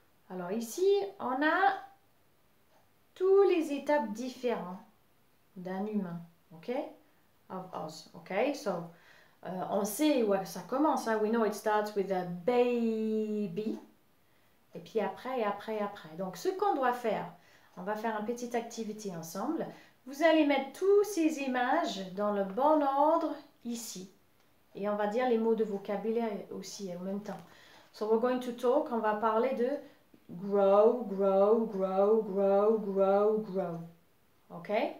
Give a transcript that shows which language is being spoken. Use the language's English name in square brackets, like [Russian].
[French] Alors ici, on a toutes les étapes différentes d'un humain. OK? [English] Of us. [French] OK? So, on sait où ça commence. [English] Hein? We know it starts with a baby. [French] Et puis après, et après, et après. Donc, ce qu'on doit faire, on va faire une petite activité ensemble. Vous allez mettre toutes ces images dans le bon ordre ici. Et on va dire les mots de vocabulaire aussi, en même temps. [English] So, we're going to talk, [French] on va parler de [English] grow, grow, grow, grow, grow, grow. OK?